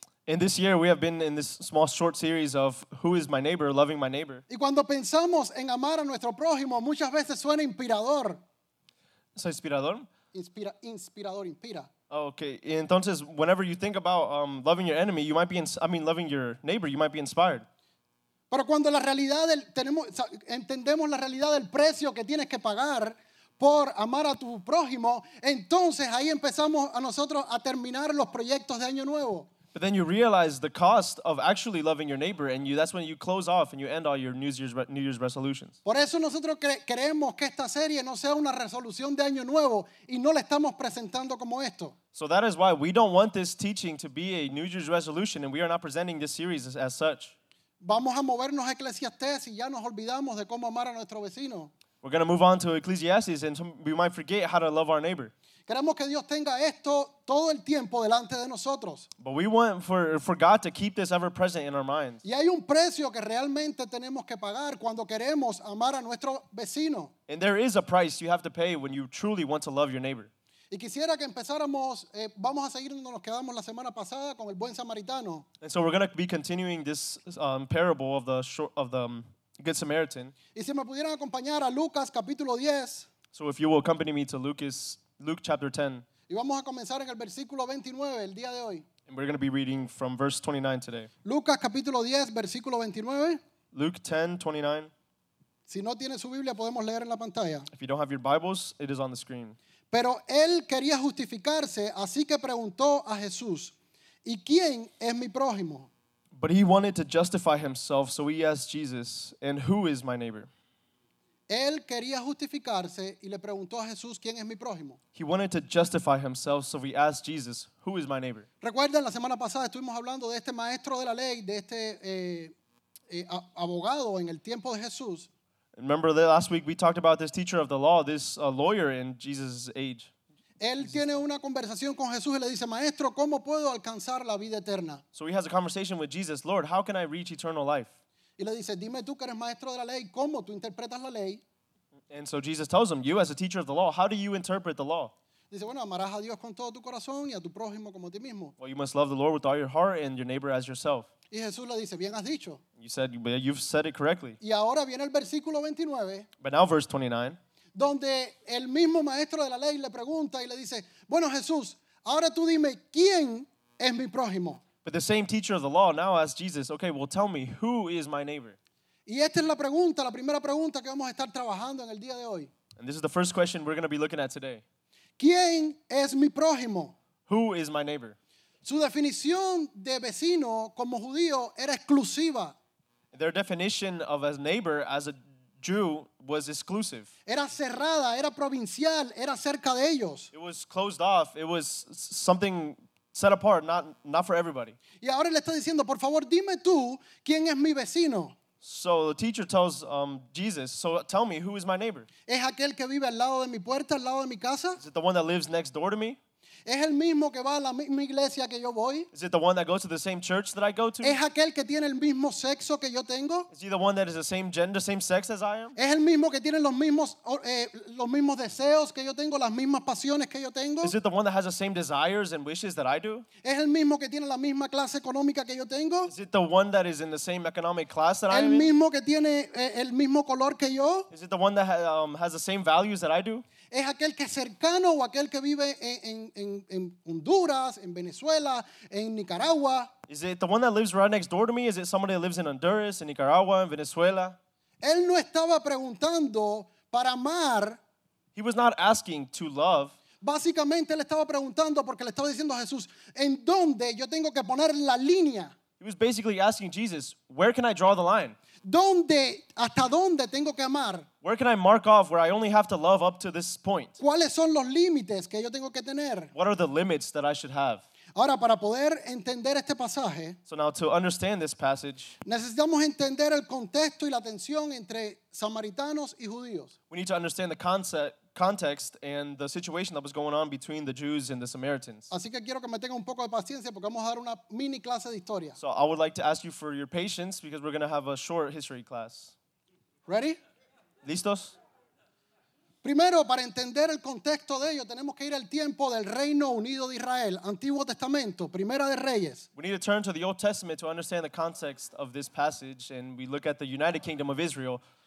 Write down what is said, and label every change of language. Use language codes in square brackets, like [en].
[en] In this year, we have been in this small short series of Who is My Neighbor? Loving My Neighbor. [es] Y cuando pensamos en amar a nuestro prójimo, muchas veces suena inspirador. ¿Es inspirador? Inspirador, inspira. [en] Oh, okay. Entonces, whenever you think about loving your enemy, you might be, loving your neighbor, you might be inspired. [es] Pero cuando la realidad del, tenemos, entendemos la realidad del precio que tienes que pagar por amar a tu prójimo, entonces ahí empezamos a nosotros a terminar los proyectos de Año Nuevo. [en] But then you realize the cost of actually loving your neighbor, and you, that's when you close off and you end all your New Year's resolutions. [es] Por eso nosotros creemos que esta serie no sea una resolución de Año Nuevo y no la estamos presentando como esto. [en] So that is why we don't want this teaching to be a New Year's resolution, and we are not presenting this series as such. [es] Vamos a movernos a Eclesiastés y ya nos olvidamos de cómo amar a nuestro vecino. [en] We're going to move on to Ecclesiastes, and we might forget how to love our neighbor. [es] Queremos que Dios tenga esto todo el tiempo delante de nosotros. [en] But we want for God to keep this ever present in our minds. [es] Y hay un precio que realmente tenemos que pagar cuando queremos amar a nuestro vecino. [en] And there is a price you have to pay when you truly want to love your neighbor. [es] Y quisiera que empezáramos, vamos a seguir donde nos quedamos la semana pasada con el buen samaritano. [en] And so we're going to be continuing this parable of the Good Samaritan. [es] Y si me pudieran acompañar a Lucas capítulo 10. [en] So if you will accompany me to Luke chapter 10. [es] Y vamos a comenzar en el versículo 29 el día de hoy. [en] And we're going to be reading from verse 29 today. [es] Lucas capítulo 10, versículo 29. [en] Luke 10, 29. [es] Si no tiene su Biblia, podemos leer en la pantalla. [en] If you don't have your Bibles, it is on the screen. [es] Pero él quería justificarse, así que preguntó a Jesús, ¿y quién es mi prójimo? [en] But he wanted to justify himself, so he asked Jesus, and who is my neighbor? [es] Él quería justificarse y le preguntó a Jesús, ¿quién es mi prójimo? [en] He wanted to justify himself, so he asked Jesus, who is my neighbor? [es] Recuerden, la semana pasada estuvimos hablando de este maestro de la ley, de este abogado en el tiempo de Jesús. [en] Remember that last week we talked about this teacher of the law, this lawyer in Jesus' age. [es] Él tiene una conversación con Jesús y le dice, maestro, ¿cómo puedo alcanzar la vida eterna? [en] So he has a conversation with Jesus, Lord, how can I reach eternal life? [es] Y le dice, dime tú que eres maestro de la ley, ¿cómo tú interpretas la ley? [en] And so Jesus tells him, you as a teacher of the law, how do you interpret the law? [es] Dice, bueno, amarás a Dios con todo tu corazón y a tu prójimo como a ti mismo. [en] Well, you must love the Lord with all your heart and your neighbor as yourself. [es] Y Jesús le dice, bien has dicho. [en] You said, you've said it correctly. [es] Y ahora viene el versículo 29. [en] But now verse 29. [es] Donde el mismo maestro de la ley le pregunta y le dice, bueno, Jesús, ahora tú dime, ¿quién es mi prójimo? [en] But the same teacher of the law now asks Jesus, okay, well, tell me, who is my neighbor? [es] Y esta es la pregunta, la primera pregunta que vamos a estar trabajando en el día de hoy. [en] And this is the first question we're going to be looking at today. [es] ¿Quién es mi prójimo? [en] Who is my neighbor? [es] Su definición de vecino como judío era exclusiva. [en] Their definition of a neighbor as a Jew was exclusive. [es] Era cerrada, era provincial, era cerca de ellos. [en] It was closed off. It was something set apart, not for everybody. [es] Y ahora le está diciendo, por favor, dime tú quién es mi vecino. [en] So the teacher tells Jesus, so tell me, who is my neighbor? [es] ¿Es aquel que vive al lado de mi puerta, al lado de mi casa? [en] Is it the one that lives next door to me? [es] ¿Es el mismo que va a la misma iglesia que yo voy? [en] Is it the one that goes to the same church that I go to? [es] ¿Es aquel que tiene el mismo sexo que yo tengo? [en] Is he the one that is the same gender, same sex as I am? [es] ¿Es el mismo que tiene los mismos deseos que yo tengo, las mismas pasiones que yo tengo? [en] Is it the one that has the same desires and wishes that I do? [es] ¿Es el mismo que tiene la misma clase económica que yo tengo? [en] Is it the one that is in the same economic class that I am? [es] ¿El mismo que tiene el mismo color que yo? [en] Is it the one that has the same values that I do? [es] ¿Es aquel que es cercano o aquel que vive en Honduras, en Venezuela, en Nicaragua? [en] Is it the one that lives right next door to me? Is it somebody that lives in Honduras, in Nicaragua, in Venezuela? [es] Él no estaba preguntando para amar. [en] He was not asking to love. [es] Básicamente, él estaba preguntando porque le estaba diciendo a Jesús, ¿en dónde yo tengo que poner la línea? [en] He was basically asking Jesus, where can I draw the line? [es] ¿Dónde, hasta dónde tengo que amar? [en] Where can I mark off where I only have to love up to this point? [es] ¿Cuáles son los límites que yo tengo que tener? [en] What are the limits that I should have? [es] Ahora, para poder entender este pasaje, [en] so now to understand this passage, [es] necesitamos entender el contexto y la tensión entre samaritanos y judíos. [en] We need to understand the context and the situation that was going on between the Jews and the Samaritans. [es] Así que quiero que me tengan un poco de paciencia porque vamos a dar una mini clase de historia. [en] So I would like to ask you for your patience because we're going to have a short history class. Ready? [es] ¿Listos? Primero, para entender el contexto de ello, tenemos que ir al tiempo del Reino Unido de Israel, Antiguo Testamento, Primera de Reyes. [en] We need to turn to the Old Testament to understand the context of this passage, and we look at the United Kingdom of Israel.